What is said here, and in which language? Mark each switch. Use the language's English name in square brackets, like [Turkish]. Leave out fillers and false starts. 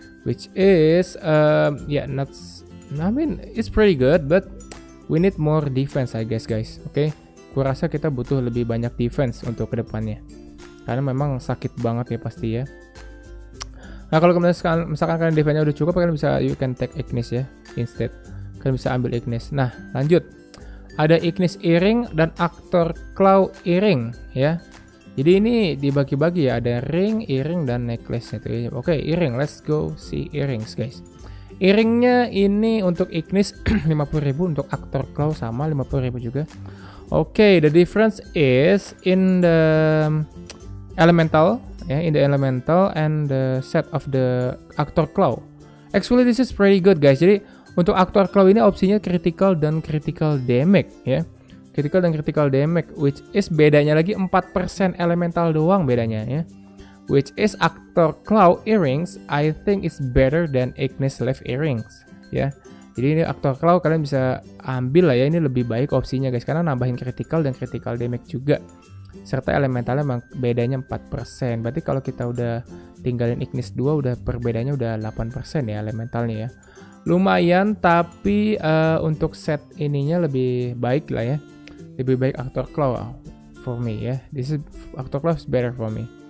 [English] Which is, it's pretty good, but we need more defense I guess guys. [Indonesian] Oke, okay? Gue rasa kita butuh lebih banyak defense untuk kedepannya. Karena memang sakit banget ya pasti ya. Nah kalau misalkan kalian defense-nya udah cukup, kalian bisa you can take Ignis ya instead. Kalian bisa ambil Ignis. Nah lanjut, ada Ignis Earring dan Actor Claw Earring ya. Jadi ini dibagi-bagi ya, ada ring, earring dan necklace itu. Oke, earring, let's go see earrings guys. Earringnya ini untuk Ignis 50.000, untuk Actor Claw sama 50.000 juga. [English] Oke, the difference is in the elemental. Yeah, in the elemental and the set of the Actor Claw. Actually this is pretty good guys. [Indonesian] Jadi untuk Actor Claw ini opsinya critical dan critical damage ya. Yeah. Critical dan critical damage which is bedanya lagi 4% elemental doang bedanya ya. Yeah. [English] Which is Actor Claw earrings I think is better than Ignis Life earrings ya. Yeah. [Indonesian] Jadi ini Actor Claw kalian bisa ambil lah ya, ini lebih baik opsinya guys karena nambahin critical dan critical damage juga. Serta elementalnya memang bedanya 4%. Berarti kalau kita udah tinggalin Ignis 2 udah perbedaannya udah 8% ya elementalnya ya. Lumayan tapi untuk set ininya lebih baik lah ya. Lebih baik Actor Claw for me ya. [English] This is Actor Claw is better for me.